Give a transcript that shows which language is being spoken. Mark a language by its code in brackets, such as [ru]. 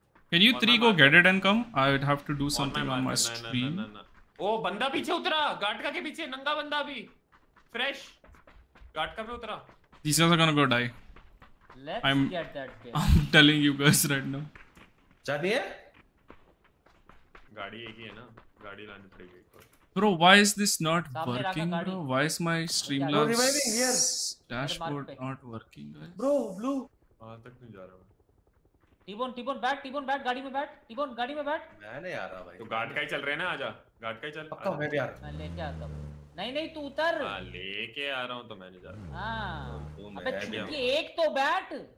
[en] Can you three go get it and come? I would have to do something on my stream. [hi] ओ बंदा पीछे उतरा. गाटका के पीछे नंगा बंदा भी. [en] Fresh. [hi] गाटका पे उतरा. [en] These guys are gonna go die. Let's get that guy. I'm telling you guys right now. [hi] जानी है? गाड़ी एक ही है ना. गाड़ी लानी पड़ेगी. [en] Bro, why is this not working, bro? Why is my Streamlabs dashboard not working, guys? Bro, blue. [hi] वहाँ तक नहीं जा रहा हूँ. T-bone, गाड़ी में बैठ. T-bone, गाड़ी में बैठ. मैं नहीं आ रहा भाई. तो गार्ड का ही चल रहे हैं ना. आजा. गार्ड का ही चल. पक्का मैं भी आ रहा हूँ. मैं लेके आता हूँ. नहीं नहीं तू उतर. हाँ लेके आ रहा हूँ तो मैं जा रहा हूँ. हाँ. अबे एक तो बैठ.